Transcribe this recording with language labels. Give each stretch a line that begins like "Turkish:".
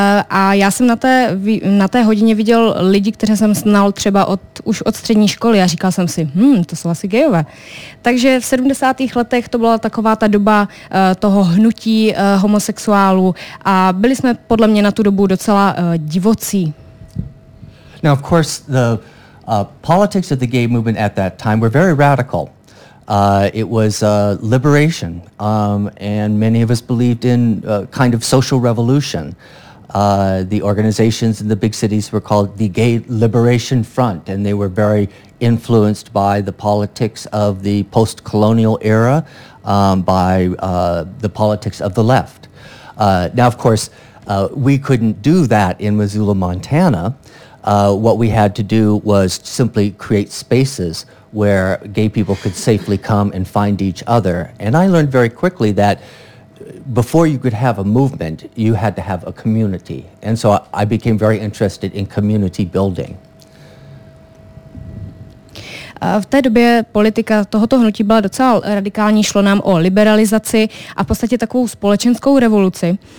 Czech: A já jsem na té hodině viděl lidi, kteří jsem znal třeba už od střední školy a říkal jsem si, to jsou asi gejové. Takže v 70. letech to byla taková ta doba toho hnutí homosexuálů a byli jsme podle mě na tu dobu docela divocí.
English: Now, of course, the politics of the gay movement at that time were very radical. It was liberation, and many of us believed in a kind of social revolution. The organizations in the big cities were called the Gay Liberation Front, and they were very influenced by the politics of the post-colonial era, by the politics of the left. Now, of course, we couldn't do that in Missoula, Montana. What we had to do was simply create spaces where gay people could safely come and find each other. And I learned very quickly that before you could have a movement, you had to have a community. And so I became very interested in community building.
Czech: V té době politika tohoto hnutí byla docela radikální, šlo nám o liberalizaci a v podstatě takovou společenskou revoluci.